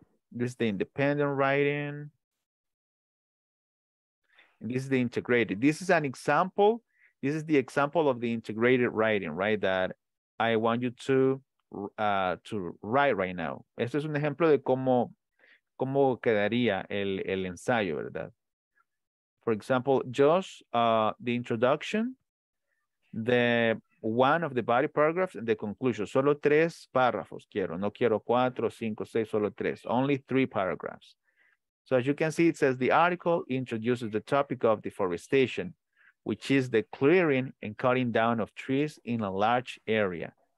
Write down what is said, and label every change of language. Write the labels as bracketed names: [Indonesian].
[English] This is the independent writing. And this is the integrated. This is an example. This is the example of the integrated writing, right? That I want you to write right now. [Spanish] Este es un ejemplo de cómo quedaría el ensayo, ¿verdad? [English] For example, just the introduction, the one of the body paragraphs, and the conclusion. [Spanish] Solo tres párrafos quiero. No quiero cuatro, cinco, seis, solo tres. [English] Only three paragraphs. So as you can see, it says the article introduces the topic of deforestation, which is the clearing and cutting down of trees in a large area.